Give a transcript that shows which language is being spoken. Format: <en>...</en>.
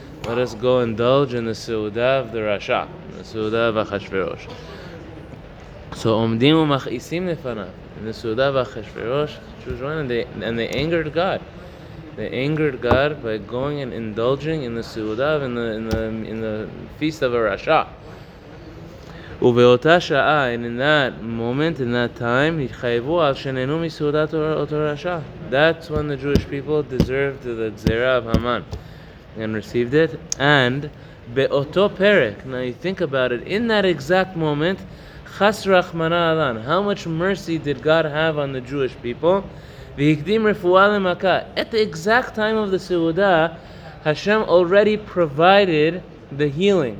<en>Let us go indulge in the Seuda of the Rasha, the Seuda of Achashverosh. So,</en> <he>Omdim umach isim nefanav,</he> <en>in the Seuda of Achashverosh, and they angered God. They angered God by going and indulging in the Seuda, in the feast of a Rasha.</en> <he>ובאותה שעה,</he> <en>and in that moment, in that time,</en> <he>התחייבו על שנהנו מסעודת אותו רשע.</he> <en>That's when the Jewish people deserved the gzera of Haman and received it. And</en> <he>באותו פרק,</he> <en>now you think about it, in that exact moment,</en> <he>חס רחמנא לן,</he> <en>how much mercy did God have on the Jewish people?</en> <he>והקדים רפואה למכה.</he> <en>At the exact time of the סעודה, Hashem already provided the healing.</en>